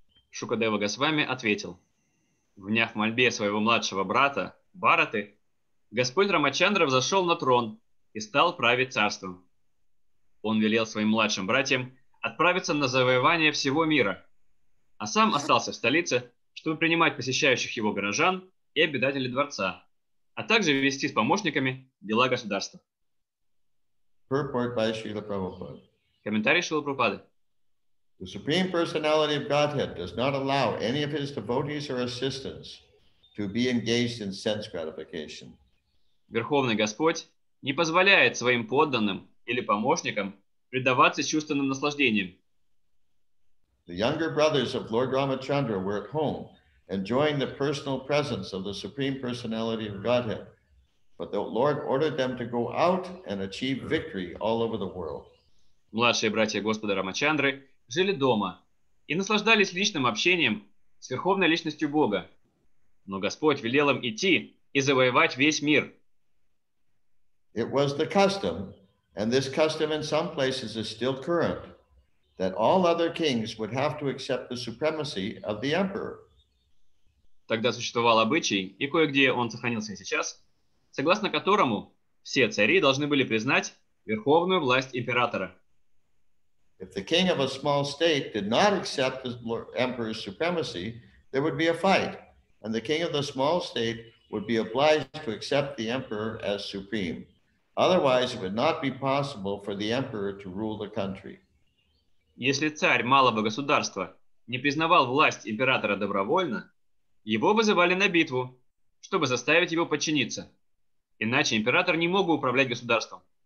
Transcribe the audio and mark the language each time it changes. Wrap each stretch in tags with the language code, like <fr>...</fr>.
<ru>Шукадева Госвами ответил, вняв мольбе своего младшего брата, Бхараты, Господь Рамачандра взошел на трон и стал править царством. Он велел своим младшим братьям отправиться на завоевание всего мира, а сам остался в столице, чтобы принимать посещающих его горожан и обитателей дворца, а также вести с помощниками дела государства. Комментарий Шрилы Прабхупады.</ru> <en>The Supreme Personality of Godhead does not allow any of his devotees or assistants to be engaged in sense gratification.</en> <ru>Верховный Господь не позволяет своим подданным или помощникам предаваться чувственным наслаждениям.</ru> <en>The younger brothers of Lord Ramachandra were at home, enjoying the personal presence of the Supreme Personality of Godhead, but the Lord ordered them to go out and achieve victory all over the world.</en> <ru>Младшие братья Господа Рамачандры жили дома и наслаждались личным общением с Верховной Личностью Бога. Но Господь велел им идти и завоевать весь мир.</ru> <en>It was the custom, and this custom in some places is still current, that all other kings would have to accept the supremacy of the emperor.</en> <ru>Тогда существовал обычай, и кое-где он сохранился и сейчас, согласно которому все цари должны были признать верховную власть императора.</ru> <en>If the king of a small state did not accept the emperor's supremacy, there would be a fight, and the king of the small state would be obliged to accept the emperor as supreme. Otherwise, it would not be possible for the emperor to rule the country.</en> <ru>Если царь малого государства не признавал власть императора добровольно, его вызывали на битву, чтобы заставить его подчиниться. Иначе император не мог бы управлять государством.</ru>